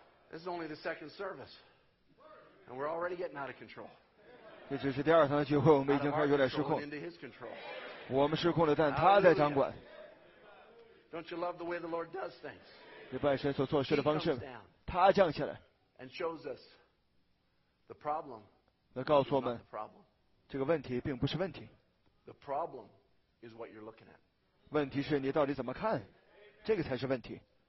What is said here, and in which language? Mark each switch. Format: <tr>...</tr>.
<en>This is only the second service, and we're already getting out of control.</en> <zh>这只是第二堂的聚会，我们已经开始有点失控。我们失控了，但他在掌管。</zh> <en>Don't you love the way the Lord does things?</en> <zh>你不爱神所做事的方式？他降下来。</zh> <en>And shows us the problem.</en> <zh>来告诉我们，这个问题并不是问题。</zh> <en>The problem is what you're looking at.</en> <zh>问题是你到底怎么看，这个才是问题。</zh>